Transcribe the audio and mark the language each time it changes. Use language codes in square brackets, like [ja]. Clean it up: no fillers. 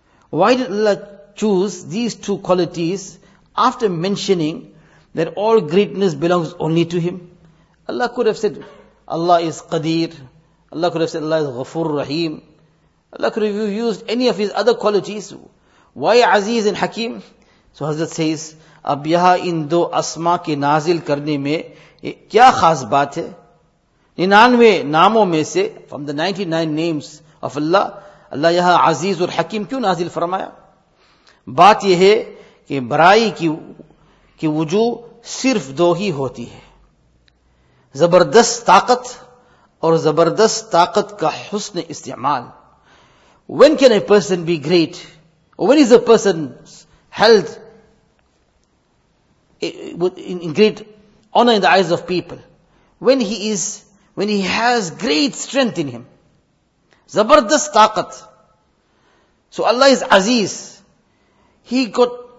[en] Why did Allah choose these two qualities after mentioning that all greatness belongs only to Him? Allah could have said, Allah is Qadir. Allah could have said, Allah is Ghafur Rahim. Allah could have used any of His other qualities. Why Aziz and Hakim? So Hazrat says, [ur] اب یہاں ان دو اسما کے نازل کرنے میں کیا خاص بات ہے؟ 99 ناموں میں سے, [en] from the 99 names of Allah, [ur] اللہ یہاں عزیز اور حکیم کیوں نازل فرمایا؟ بات یہ ہے کہ برائی کی وجوہ صرف دو ہی ہوتی ہے, زبردست طاقت اور زبردست طاقت کا حسن استعمال. [en] When can a person be great? When is a person held in great honor in the eyes of people? When he has great strength in him. Zabardast taqat. So Allah is Aziz. He got,